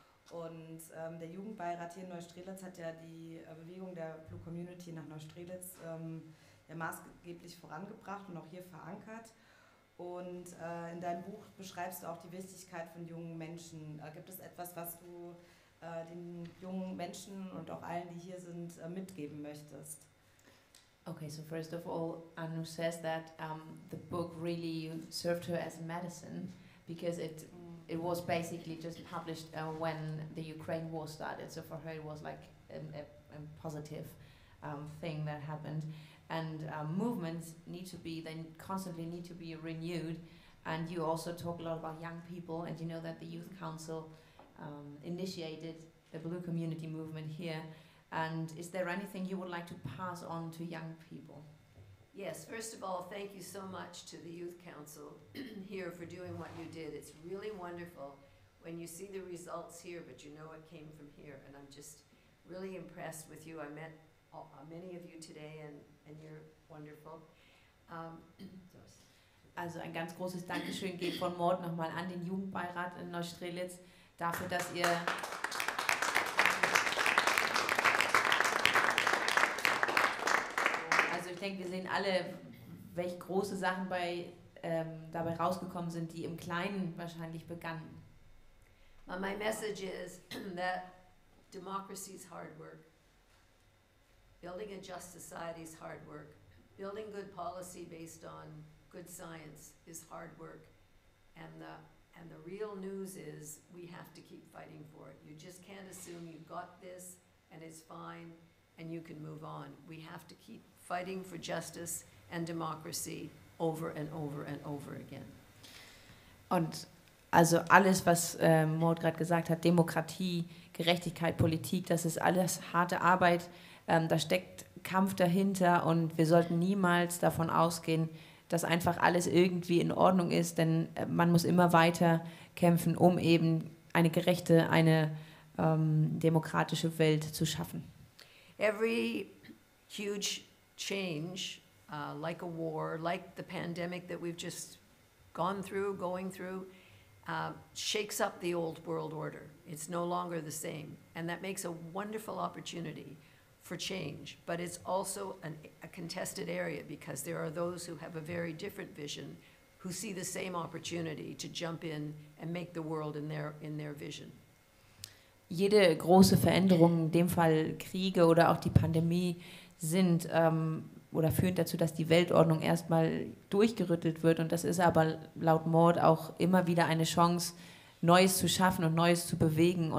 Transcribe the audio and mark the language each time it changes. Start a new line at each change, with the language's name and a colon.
German: Und der Jugendbeirat hier in Neustrelitz hat ja die Bewegung der Blue Community nach Neustrelitz ja maßgeblich vorangebracht und auch hier verankert. Und in deinem Buch beschreibst du auch die Wichtigkeit von jungen Menschen. Gibt es etwas, was du den jungen Menschen und auch allen, die hier sind, mitgeben möchtest?
English: Okay, so first of all, Anu says that the book really served her as medicine, because it was basically just published when the Ukraine war started. So for her, it was like a positive thing that happened. And movements need to be, they constantly need to be renewed. And you also talk a lot about young people, and you know that the Youth Council initiated the Blue Community Movement here. And is there anything you would like to pass on to young people? Yes, first of all, thank you so much to the Youth Council here for doing what you did. It's really wonderful when you see the results here, but you know it came from here. And I'm just really impressed with you. I met many of you today, and you're wonderful.
German: Also ein ganz großes Dankeschön geht von Mord nochmal an den Jugendbeirat in Neustrelitz dafür, dass ihr... Also ich denke, wir sehen alle, welche große Sachen dabei rausgekommen sind, die im Kleinen wahrscheinlich begannen.
English: Well, my message is that democracy is hard work. Building a just society is hard work. Building good policy based on good science is hard work. And the real news is we have to keep fighting for it. You just can't assume you've got this and it's fine and you can move on. We have to keep fighting for justice and democracy over and over and over again.
German: Und also alles, was Maud gerade gesagt hat, Demokratie, Gerechtigkeit, Politik, das ist alles harte Arbeit. Da steckt Kampf dahinter und wir sollten niemals davon ausgehen, dass einfach alles irgendwie in Ordnung ist, denn man muss immer weiter kämpfen, um eben eine gerechte, eine demokratische Welt zu schaffen.
English: Every huge change, like a war, like the pandemic that we've just gone through, going through, shakes up the old world order. It's no longer the same. And that makes a wonderful opportunity for change, but it's also a contested area, because there are those who have a very different vision, who see the same opportunity to jump in and make the world in their vision.
German: Jede große Veränderung, in dem Fall Kriege oder auch die Pandemie, sind oder führen dazu, dass die Weltordnung erstmal durchgerüttelt wird, und das ist aber laut Maud auch immer wieder eine Chance, Neues zu schaffen und Neues zu bewegen.